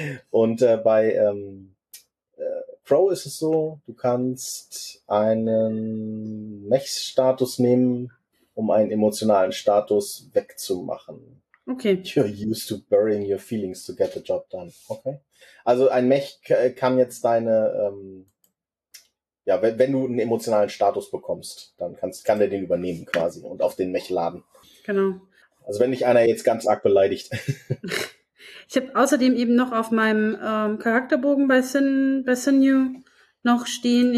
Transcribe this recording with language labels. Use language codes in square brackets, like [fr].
[de] Und bei Pro ist es so, du kannst einen Mech-Status nehmen, um einen emotionalen Status wegzumachen. Okay. [en] You're used to burying your feelings to get the job done. Okay. [de] Also ein Mech kann jetzt deine, wenn du einen emotionalen Status bekommst, dann kann der den übernehmen quasi und auf den Mech laden. Genau. Also wenn dich einer jetzt ganz arg beleidigt. Ich habe außerdem eben noch auf meinem Charakterbogen bei Sinew noch stehen.